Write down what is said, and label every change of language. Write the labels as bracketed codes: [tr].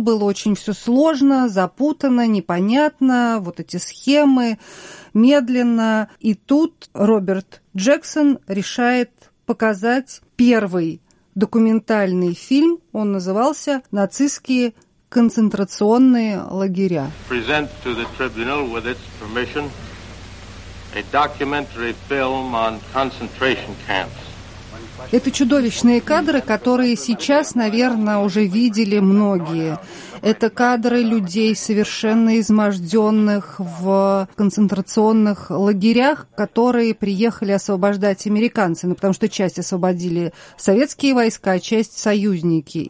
[ru] Было очень все сложно, запутано, непонятно. Вот эти схемы медленно. И тут Роберт Джексон решает показать первый документальный фильм. Он назывался «Нацистские концентрационные лагеря». [en] Present to the tribunal with its permission a documentary film on concentration camps. [ru] Это чудовищные кадры, которые сейчас, наверное, уже видели многие. Это кадры людей, совершенно изможденных в концентрационных лагерях, которые приехали освобождать американцы, ну, потому что часть освободили советские войска, а часть — союзники.